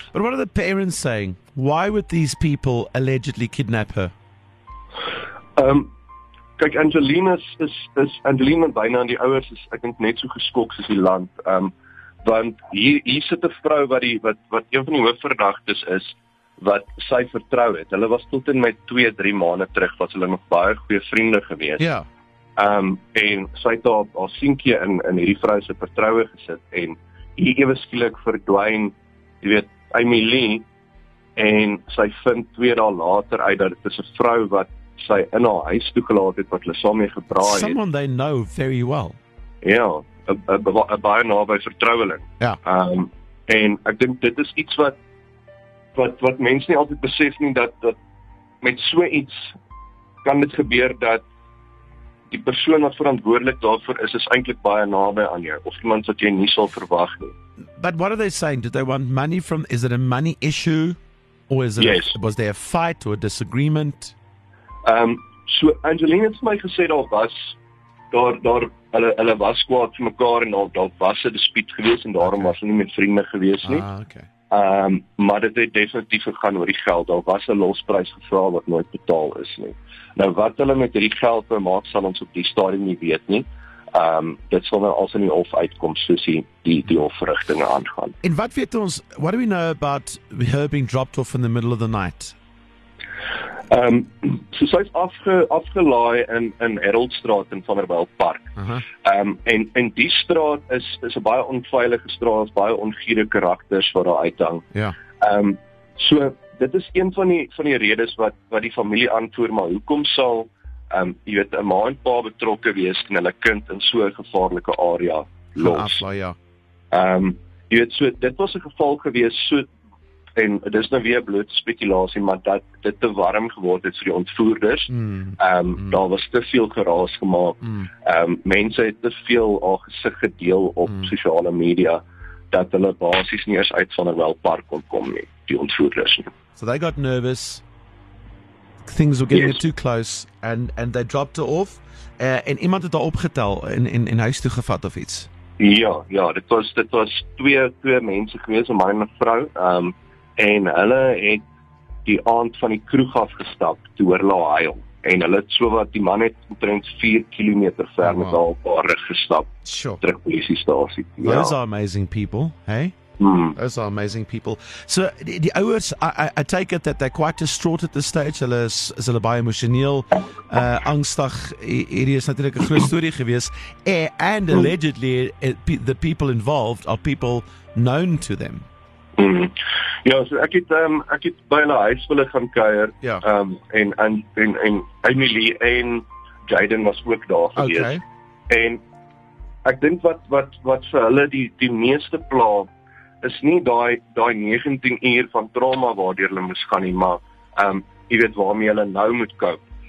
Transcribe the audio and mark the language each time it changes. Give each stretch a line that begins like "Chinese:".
English: But what are the parents saying? Why would these people allegedly kidnap her?
Afrikaans: Kyk, Angeline byna aan die ouers is ek dink net so geskok soos die land. Want hier sit 'n vrou wat een van die hoofverdagtes is, wat sy vertrou het. Hulle was tot en met 2-3 maande terug was hulle nog baie goeie vriende gewees. Ja. En sy het haar seentjie in hierdie vrou se vertroue gesit en hier ewe skielik verdwyn, jy weet, Amelie. En sy vind 2 dae later uit dat dit is 'n vrou wat sy in haar huis toegelaat het, wat hulle saam mee gebraai het.
English: Someone they know very well.
Afrikaans: Ja, a baie naby vertroueling. Ja. En ek dink dit is iets wat mense nie altyd besef nie, dat met so iets kan dit gebeur dat die persoon wat verantwoordelik daarvoor is eintlik baie naby aan jou, of iemand wat jy nie sal verwag nie.
English: But what are they saying? Do they want money from, is it a money issue? Or is it, yes. Was there a fight or a disagreement?
Afrikaans: So Angeline het my gesê daar was hulle was kwaad vir mekaar en daar was 'n dispuut gewees en daarom was hulle nie met vriende gewees nie.
English: Ah, okay.
Afrikaans: Maar dit het definitief gegaan oor die geld. Daar was 'n losprys gevra wat nooit betaal is nie. Nou wat hulle met hierdie geld maak sal ons op die stadium nie weet nie. dit sal nou als in die hof uitkom, soos die hofverrigtinge aangaan. En wat weet ons,
English: what do we know about her being dropped off in the middle of the night?
Afrikaans: So sy is afgelaai in Haroldstraat in Vanderbijl Park. Uh-huh. En die straat is 'n baie onveilige straat, baie ongiere karakters wat daar uithang.
English: Yeah.
Afrikaans: So dit is een van die redes wat die familie antwoord, maar hoekom sal jy weet, 'n ma en pa betrokke wees en hulle kind in so 'n gevaarlike area los? Ja. Jy weet, so dit was 'n geval gewees, so, en dit is nou weer bloot spekulasie, maar dat dit te warm geword het vir die ontvoerders. Daar was te veel geraas gemaak. Mense het te veel al gesig gedeel op sosiale media, dat hulle basies nie eers uit Vanderbijl Park kon kom nie, die ontvoerders nie.
English: So they got nervous. Things were getting too close and they dropped her off.
Afrikaans: En iemand het daar opgetel en huis toe gevat of iets? Ja, dit was twee mense gewees, 'n man en 'n vrou. En hulle het die aand van die kroeg afgestap toe hoor hulle huil. En hulle het so wat, die man het omtrent 4 km ver met al paar rig gestap.
English: Sure.
Afrikaans: Terug polisie stasie. Ja.
English: Those are amazing people, hey? Those are amazing people.
Afrikaans: So die ouers,
English: I take it that they're quite distraught at this stage.
Afrikaans: Hulle is hulle baie emosioneel, angstig. Hierdie is natuurlik 'n groot storie gewees.
English: And allegedly, the people involved are people known to them.
Afrikaans: Ja, so ek het by hulle huis hulle gaan kuier. Ja. En Emily en Jayden was ook daar gewees.
English: Okay.
Afrikaans: En ek dink wat vir hulle die meeste pla is nie daai 19 uur van trauma waardeur hulle moes gaan nie, maar jy weet waarmee hulle nou moet cope.